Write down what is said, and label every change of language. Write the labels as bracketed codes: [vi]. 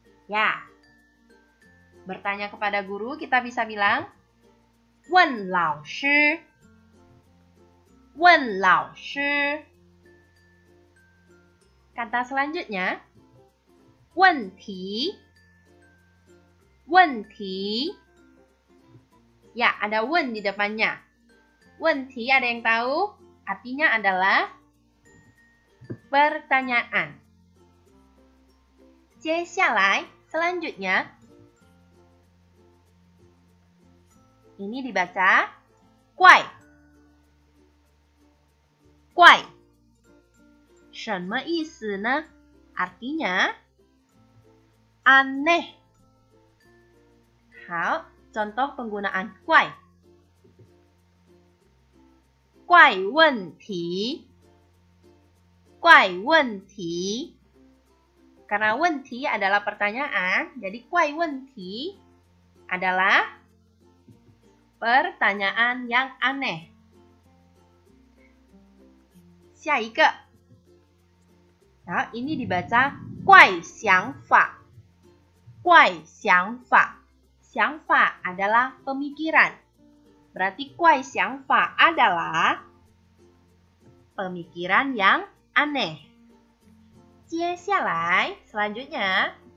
[id] Ya， bertanya kepada guru kita bisa bilang [zh] 问老师。问老师。 [id] Kata selanjutnya， [zh] 问题，问题。 [id] Ya， ada 问 di depannya。问题 ada yang tahu？ Artinya adalah Pertanyaan. [zh] 接下来, [id] selanjutnya. Ini dibaca 怪. [zh] 怪.什么意思呢? [id] Artinya aneh. 好, contoh penggunaan 怪. [zh] 怪问题.怪问题. [id] Karena 问题 adalah pertanyaan, jadi 怪问题 adalah pertanyaan yang aneh. [zh] 下一个. [id] Nah, ini dibaca 怪想法. [zh] 怪想法. [id] 想法 adalah pemikiran. Berarti 怪想法 adalah pemikiran yang aneh. [zh] 接下来, [id] selanjutnya.